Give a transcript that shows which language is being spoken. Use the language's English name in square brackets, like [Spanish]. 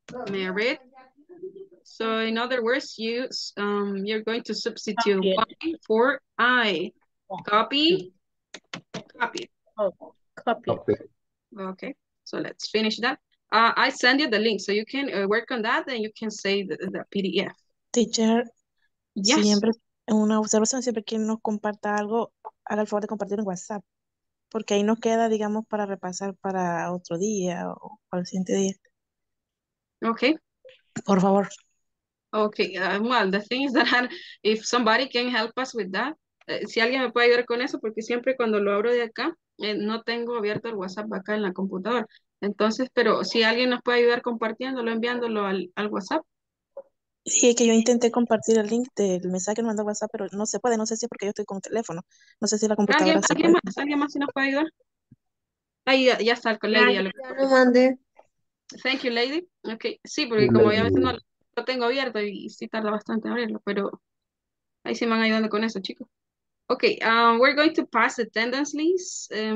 [English] Married. So in other words, you're going to substitute Y for I. Copy. Copy. Copy. Okay. So let's finish that. I send you the link so you can work on that and you can save the PDF. Teacher. Yes. [Spanish] Siempre. En una observación, siempre que nos comparta algo, haga el favor de compartir en WhatsApp. Porque ahí nos queda, digamos, para repasar para otro día o para el siguiente día. Ok. Por favor. Ok. Well, the thing is that if somebody can help us with that, si alguien me puede ayudar con eso, porque siempre cuando lo abro de acá, no tengo abierto el WhatsApp acá en la computadora. Entonces, pero si alguien nos puede ayudar compartiéndolo, enviándolo al WhatsApp. Sí, es que yo intenté compartir el link del mensaje que me mandó WhatsApp, pero no se puede, no sé si es porque yo estoy con el teléfono. No sé si la computadora ¿Alguien, se ¿alguien puede? Más? ¿Alguien más si nos puede ayudar? Ahí ya está el colega. Ya lo mandé. [English] Thank you, lady. [Spanish] Ok, sí, porque sí, como ya a veces no lo tengo abierto y sí tarda bastante en abrirlo, pero ahí sí me van ayudando con eso, chicos. [English] Ok, we're going to pass the attendance list.